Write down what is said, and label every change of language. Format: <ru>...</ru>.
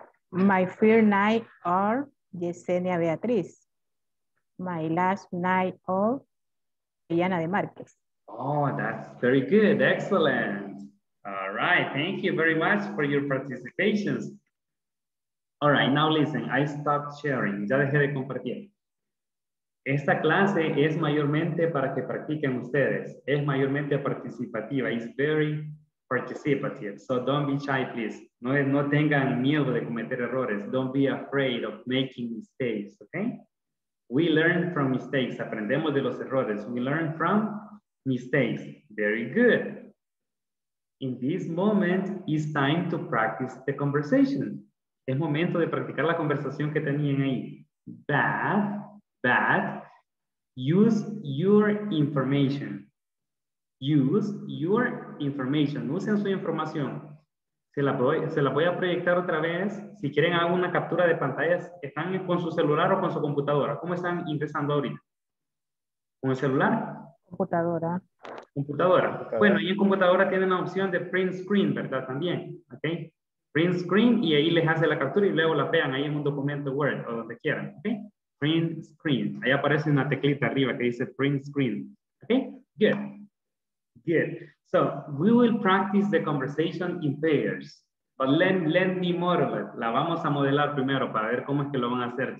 <en>My first name or Yesenia Beatriz. My last name or Diana de Marquez. Oh, that's very good. Excellent. All right, thank you very much for your participation. All right, now listen, I stopped sharing.</en> <es>Ya dejé de compartir. Esta clase es mayormente para que practiquen ustedes. Es mayormente participativa.</es> <en>It's very participative. So don't be shy, please.</en> <es>No tengan miedo de cometer errores.</es> <en>Don't be afraid of making mistakes, okay? We learn from mistakes.</en> <es>Aprendemos de los errores.</es> <en>We learn from mistakes. Very good. In this moment, it's time to practice the conversation.</en> <es>Es momento de practicar la conversación que tenían ahí.</es> <en>But use your information. Use your information.</en> <es>Usen su información. Se la voy a proyectar otra vez. Si quieren, hago una captura de pantallas. ¿Están con su celular o con su computadora? ¿Cómo están ingresando ahorita? ¿Con el celular? Computadora. Computadora. Bueno, y en computadora tienen la opción de print screen, ¿verdad? También, ¿ok? Print screen y ahí les hace la captura y luego la pegan ahí en un documento Word o donde quieran, ¿ok? Print screen. Ahí aparece una teclita arriba que dice print screen, ¿ok?</es> <en>Good. Good. So, we will practice the conversation in pairs. But let me model it.</en> <es>La vamos a modelar primero para ver cómo es que lo van a hacer.</es>